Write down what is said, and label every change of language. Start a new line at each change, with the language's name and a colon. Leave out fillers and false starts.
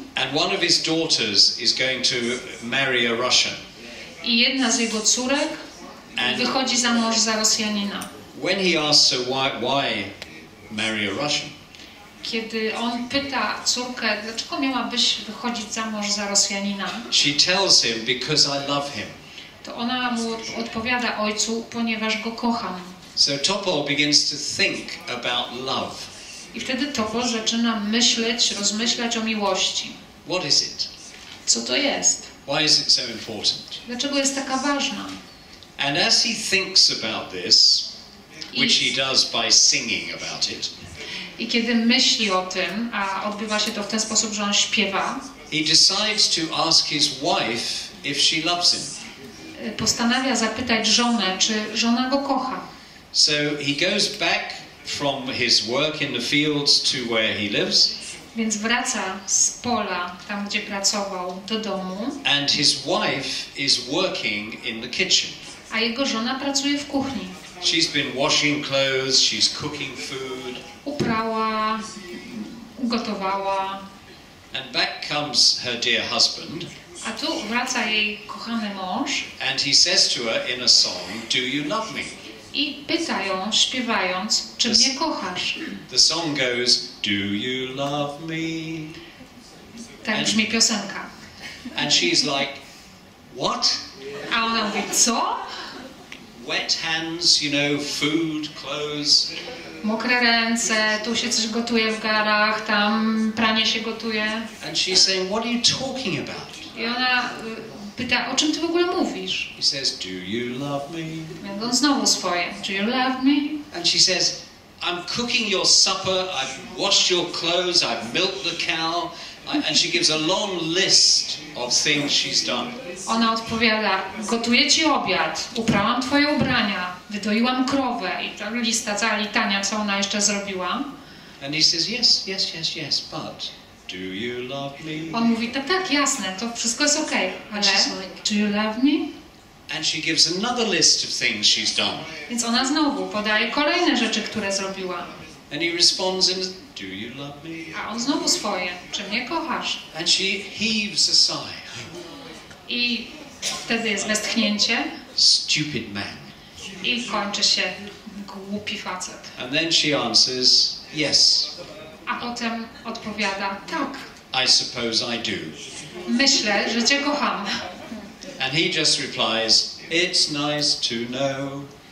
English: And one of his daughters is going to marry a Russian.
Polish: I jedna z jego córek wychodzi za mąż za Rosjanina.
English: When he asks her why marry a Russian?
Polish: Kiedy on pyta córkę, dlaczego miałabyś wychodzić za mąż za Rosjanina?
English: She tells him because I love him.
Polish: To ona mu odpowiada ojcu, ponieważ go kocham.
English: So Topol begins to think about love.
Polish: I wtedy Topol zaczyna myśleć, rozmyślać o miłości.
English: What is it?
Polish: Co to jest?
English: Why is it so important?
Polish: Dlaczego jest taka ważna?
English: And as he thinks about this, which he does by singing about it.
Polish: I kiedy myśli o tym, a odbywa się to w ten sposób, że on śpiewa,
English: he decides to ask his wife if she loves him.
Polish: Postanawia zapytać żonę, czy żona go kocha.
English: So he goes back from his work in the fields to where he lives.
Polish: Więc wraca z pola, tam gdzie pracował, do domu.
English: And his wife is working in the kitchen.
Polish: A jego żona pracuje w kuchni.
English: She's been washing clothes, she's cooking food.
Polish: Uprała, ugotowała.
English: And back comes her dear husband.
Polish: A tu wraca jej kochany mąż.
English: And he says to her in a song, "Do you love me?"
Polish: I pyta ją, śpiewając, czy mnie kochasz?
English: The song goes, "Do you love me?"
Polish: Tak brzmi piosenka.
English: And she's like, "What?"
Polish: A ona mówi, co?
English: Wet hands, you know, food, clothes.
Polish: Mokre ręce, tu się coś gotuje w garach, tam pranie się gotuje.
English: And she's saying, "What are you talking about?"
Polish: I ona pyta, o czym ty w ogóle mówisz?
English: He says, "Do you love me?"
Polish: Mówi znowu swoje,
English: "Do you love me?" And she says, "I'm cooking your supper, I've washed your clothes, I've milked the cow." And she gives a long list of things she's done.
Polish: Ona odpowiada, gotuję ci obiad, uprałam twoje ubrania, wydoiłam krowę i ta lista, cała litania, co ona jeszcze zrobiła.
English: And he says, yes, yes, yes, yes, but do you love me?
Polish: On mówi, tak, tak, jasne, to wszystko jest okej, ale
English: do you love me? And she gives another list of things she's done.
Polish: Więc ona znowu podaje kolejne rzeczy, które zrobiła.
English: And he responds in, do you love me?
Polish: A on znowu swoje, czy mnie kochasz?
English: And she heaves a sigh.
Polish: I wtedy jest westchnięcie.
English: Stupid man.
Polish: I kończy się głupi facet.
English: And then she answers, yes.
Polish: A potem odpowiada, tak.
English: I suppose I do.
Polish: Myślę, że cię kocham.
English: And he just replies, it's nice to know.